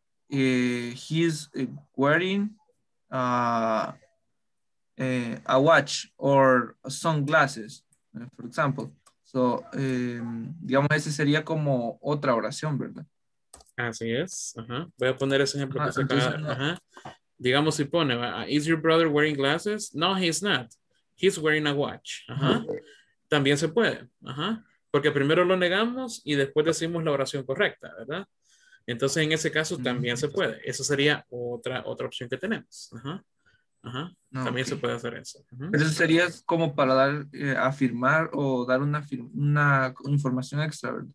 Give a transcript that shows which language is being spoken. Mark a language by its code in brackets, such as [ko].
[en] He's wearing a watch or sunglasses, for example. [es] So, digamos, ese sería como otra oración, ¿verdad? Así es. Voy a poner ese ejemplo que se acaba. Digamos, si pone, [en] is your brother wearing glasses? No, he's not. He's wearing a watch. [es] También se puede. Porque primero lo negamos y después decimos la oración correcta, ¿verdad? Entonces, en ese caso, también se puede. Esa sería otra opción que tenemos. No, también se puede hacer eso. Eso sería como para dar, afirmar o dar una información extra, ¿verdad?